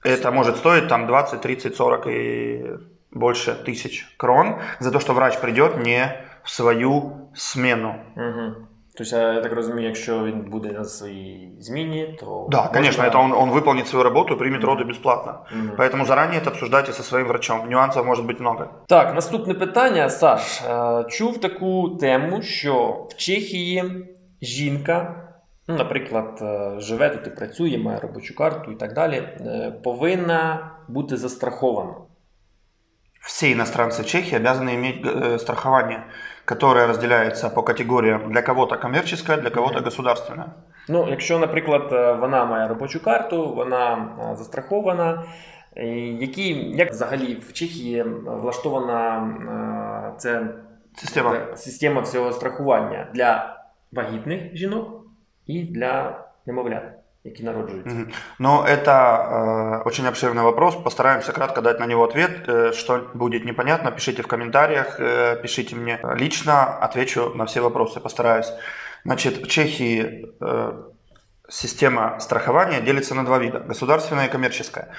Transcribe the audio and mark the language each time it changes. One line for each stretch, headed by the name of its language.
Russian: Это может стоить там 20, 30, 40 и больше тысяч крон за то, что врач придет не в свою смену. Угу. То есть, я так понимаю, если он будет на своей смене, то... Да, конечно, это он выполнит свою работу, примет роды бесплатно. Угу. Поэтому заранее это обсуждайте со своим врачом. Нюансов может быть много.
Ukrainian: Так, наступне питання, Саш. Чув таку тему, що в Чехії жінка, ну, наприклад, живе тут і працює, має робочу карту і так далі, повинна бути застрахована.
Russian: Все иностранцы в Чехии обязаны иметь страхование, которое разделяется по категориям для кого-то коммерческое, для кого-то государственное. Ну, если, например, она имеет рабочую карту, она застрахована.
Ukrainian: Как взагалі в Чехии влаштована система всего страхования для вагітних жінок и для немовлят? Який народжується.
Russian: Ну, это очень обширный вопрос. Постараемся кратко дать на него ответ. Что будет непонятно, пишите в комментариях, пишите мне лично, отвечу на все вопросы, постараюсь. Значит, в Чехии система страхования делится на два вида, государственная и коммерческая.